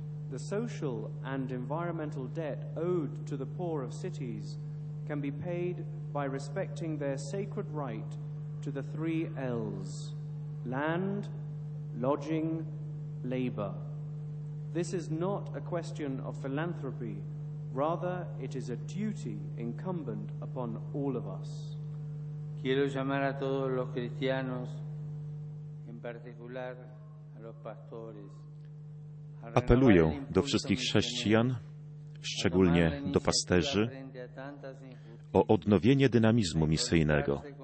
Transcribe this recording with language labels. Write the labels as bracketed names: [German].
[English] The social and environmental debt owed to the poor of cities can be paid by respecting their sacred right to the three L's: land, lodging, labor. This is not a question of philanthropy, rather it is a duty incumbent upon all of us. [Spanish] Quiero llamar a todos los cristianos, en particular a los pastores. [Polish] Apeluję do wszystkich chrześcijan, szczególnie do pasterzy, o odnowienie dynamizmu misyjnego,